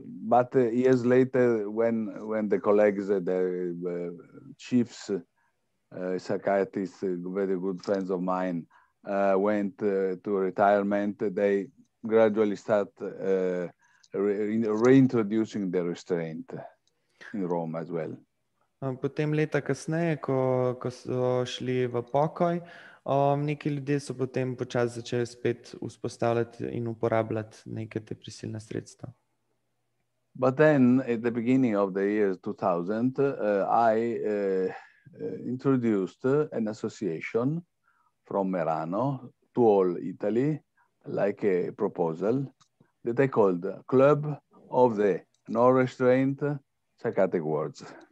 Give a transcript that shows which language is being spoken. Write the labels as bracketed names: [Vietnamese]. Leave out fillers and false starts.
[English] But years later, when the colleagues, the chiefs, psychiatrists, very good friends of mine, went to retirement, they gradually start reintroducing the restraint in Rome as well. [Slovenian] Potem leta kasneje, ko so šli v pokoj, neki ljudje so potem počas začeli spet vzpostavljati in uporabljati neke te prisilne sredstva. [English] But then, at the beginning of the year 2000, I introduced an association from Merano to all Italy, like a proposal that I called Club of the No Restraint Psychiatric Wards.